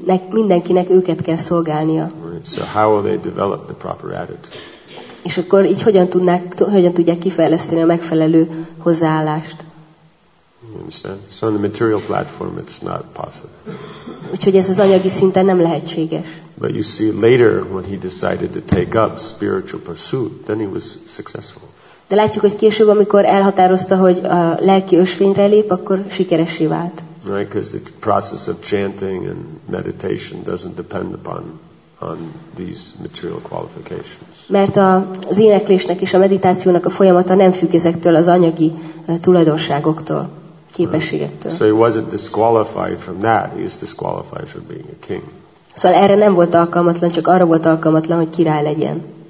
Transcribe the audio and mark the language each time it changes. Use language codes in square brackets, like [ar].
[hu] Mindenkinek őket kell szolgálnia. [en] Right. So how will they develop the proper attitude? [hu] És akkor így hogyan tudják kifejleszteni a megfelelő hozzáállást? [en] You understand? So on the material platform it's not possible. [hu] Úgyhogy ez az anyagi szinten nem lehetséges. [en] But you see later when he decided to take up spiritual pursuit, then he was successful. [hu] De látjuk, hogy később, amikor elhatározta, hogy a lelki ösvényre lép, akkor sikeressé vált. [en] Right, because the process of chanting and meditation doesn't depend upon these material qualifications. [hu] Mert az éneklésnek és a meditációnak a folyamata nem függ ezektől az anyagi tulajdonságoktól, képességektől. [en] So he wasn't disqualified from that, he is disqualified from being a king. [hu] Szóval erre nem volt alkalmatlan, csak arra volt alkalmatlan, hogy király legyen.